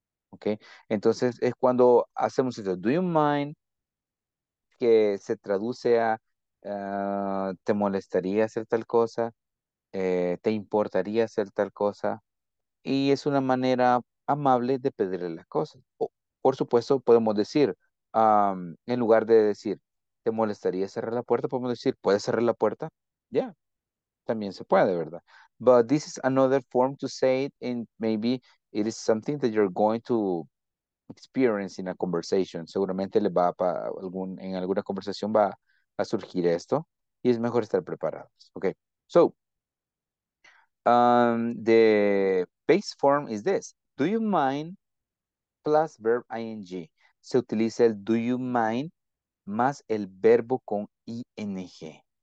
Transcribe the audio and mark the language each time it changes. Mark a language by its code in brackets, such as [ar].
[es] ¿Ok? Entonces, es cuando hacemos esto, [en] do you mind, [es] que se traduce a ¿te molestaría hacer tal cosa? ¿Te importaría hacer tal cosa? Y es una manera amable de pedirle las cosas. Por supuesto, podemos decir, en lugar de decir, ¿te molestaría cerrar la puerta? Podemos decir, ¿puedes cerrar la puerta? Ya, yeah. También se puede, ¿verdad? [en] But this is another form to say it, and maybe it is something that you're going to experience in a conversation. [es] Seguramente le va para algún, en alguna conversación va a surgir esto, y es mejor estar preparados. [en] Okay, so, the base form is this. Do you mind plus verb ing? [es] Se utiliza el do you mind más el verbo con ing.